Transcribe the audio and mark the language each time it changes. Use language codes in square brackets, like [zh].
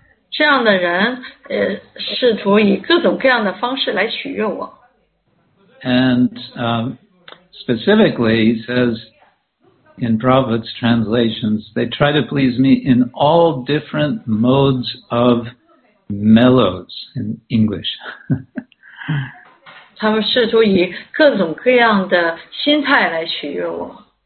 [zh] 这样的人试图以各种各样的方式来取悦我。 [en] And specifically, he says,in Prabhupada's translations, they try to please me in all different modes of mellows in English. [zh] 他们试图以各种各样的心态来取悦我。